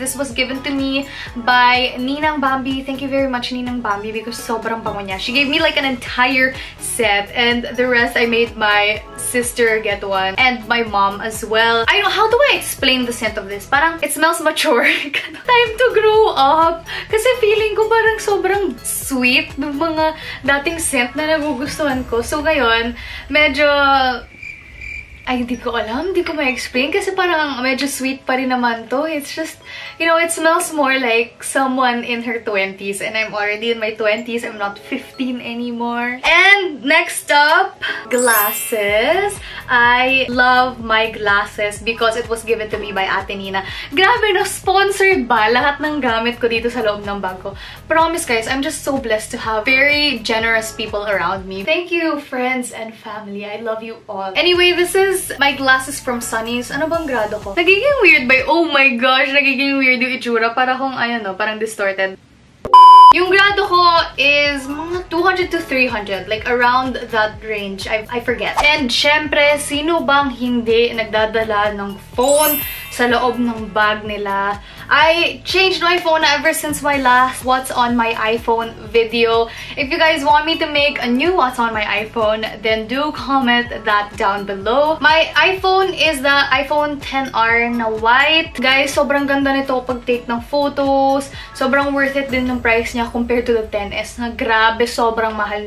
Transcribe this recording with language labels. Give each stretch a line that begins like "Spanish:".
English: This was given to me by Ninang Bambi. Thank you very much, Ninang Bambi, because
Filipino: sobrang bango niya.
English: She gave me like an entire set, and the rest I made my sister get one and my mom as well. I know, how do I explain the scent of this? Parang it smells mature. Time to grow up.
Filipino: Kasi feeling ko parang sobrang sweet ng mga dating scent na nagugustuhan ko. So ngayon, medyo, ay, hindi ko alam, hindi ko ma-explain kasi parang medyo sweet pa rin naman to.
English: It's just, you know, it smells more like someone in her 20s, and I'm already in my 20s. I'm not 15 anymore. And next up, glasses. I love my glasses because it was given to me by Ate Nina.
Filipino: Grabe, no, sponsored ba lahat ng gamit ko dito sa loob ng bag ko?
English: Promise, guys, I'm just so blessed to have very generous people around me. Thank you, friends and family. I love you all. Anyway, this is my glasses from Sunny's.
Filipino: Ano bang grado ko? Nagiging weird ba?
English: Oh my gosh,
Filipino: nagiging weird yung itsura. Parang distorted. Yung grado ko
English: is 200 to 300, like around that range. I forget.
Filipino: And syempre, sino bang hindi nagdadala ng phone sa loob ng bag nila?
English: I changed my phone ever since my last What's on My iPhone video. If you guys want me to make a new What's on My iPhone, then do comment that down below. My iPhone is the iPhone XR na white.
Filipino: Guys, sobrang ganda nito pag take ng photos. Sobrang worth it din ng price niya compared to the XS na grabe, sobrang mahal.